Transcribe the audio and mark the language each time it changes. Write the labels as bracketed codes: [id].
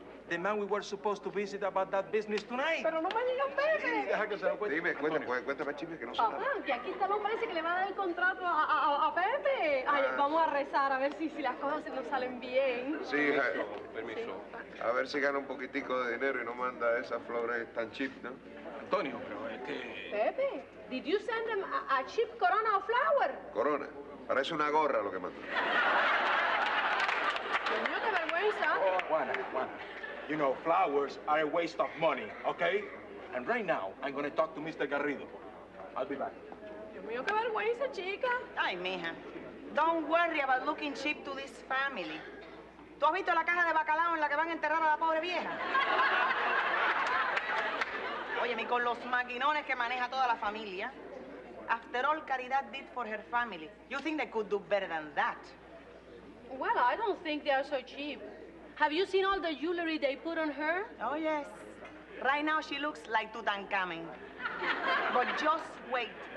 [en] The man we were supposed to visit about that business tonight. [es] Pero no me digas, bebe. Sí, deja que se lo cuente. Dime, cuéntame, chisme, que no sé nada. Que aquí está el hombre ese que le va a dar el contrato a Pepe. Ay, vamos a rezar a ver si las cosas nos salen bien. Sí, hija. Permiso. A ver si gana un poquitico de dinero y no manda esas flores tan cheap, ¿no? Antonio, pero es que... [en] Pepe, did you send him a cheap corona o flower? [es] Corona. Parece una gorra lo que mandó. Dios mío, qué vergüenza. [en] Oh, Juana. You know, flowers are a waste of money, okay? And right now, I'm gonna talk to Mr. Garrido. I'll be back. [es] Dios mío, qué vergüenza, chica. Ay, mija. [en] Don't worry about looking cheap to this family. [es] ¿Tú has visto la caja de bacalao en la que van a enterrar a la pobre vieja? Oye, mi, con los maquinones que maneja toda la familia. [en] After all, Caridad did for her family. You think they could do better than that? Well, I don't think they are so cheap. Have you seen all the jewelry they put on her? Oh, yes. Right now, she looks like Tutankhamen. But just wait.